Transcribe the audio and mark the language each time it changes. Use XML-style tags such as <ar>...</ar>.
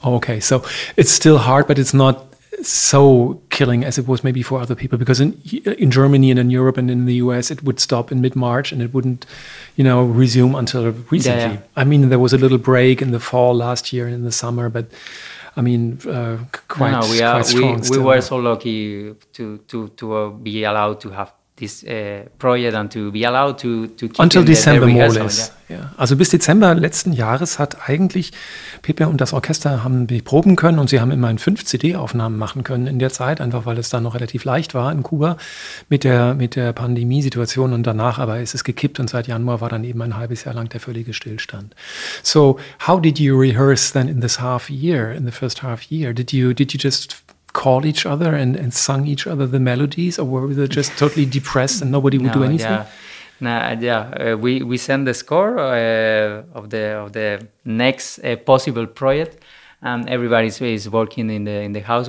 <en>Okay, so it's still hard, but it's not so killing as it was maybe for other people, because in Germany and in Europe and in the US it would stop in mid-March and it wouldn't, you know, resume until recently. Yeah, yeah. I mean, there was a little break in the fall last year and in the summer, but I mean, we were so lucky to be allowed to have this project and to be allowed to keep until December more or less.</en> <de>Also bis Dezember letzten Jahres hat eigentlich Pepe und das Orchester haben proben können, und sie haben immerhin 5 CD-Aufnahmen machen können in der Zeit, einfach weil es da noch relativ leicht war in Kuba mit der Pandemiesituation, und danach aber ist es gekippt und seit Januar war dann eben ein halbes Jahr lang der völlige Stillstand.</de> <en>So how did you rehearse then in this half year, in the first half year? Did you just call each other and sung each other the melodies, or were they just totally depressed and nobody would do anything? We sent the score of the next possible project, and everybody is working in the house.</en>